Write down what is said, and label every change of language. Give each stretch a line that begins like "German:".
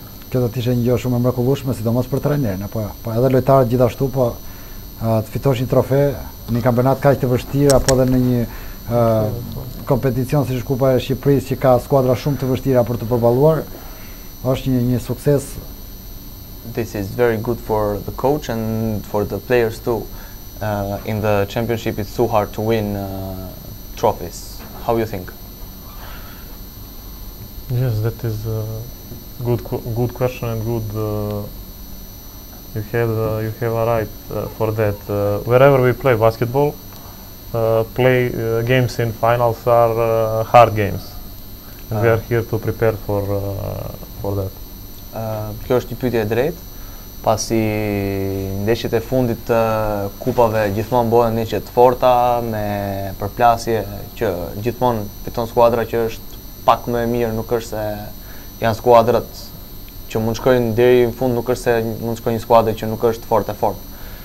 Albanian: Kjo do të ishte një gjë shumë e mrekullueshme, sidomos për trajnerin, apo po edhe lojtarët gjithashtu, po të fitosh një trofe në një kampionat kaq të vështirë, apo edhe në një kompeticion si Kupa e Shqipërisë që ka skuadra shumë të vështira për të përballuar, është një sukses.
English: This is very good for the coach and for the players too. In the championship it's so hard to win trophies. How you think? Yes, that is a good question and good. You have a right for that. Wherever we play basketball, games in finals are hard games, and we are here to prepare for that.
Albanian: Kjo është një pyetje e drejtë, pasi ndeshjet e fundit të kupave gjithmonë bëhen ndeshje të forta me përplasje që gjithmonë fiton skuadra që është pak më e mirë, nuk është se janë skuadrat që mund shkojnë deri në fund, nuk është se mund shkojnë një skuadër që nuk është fort e fort.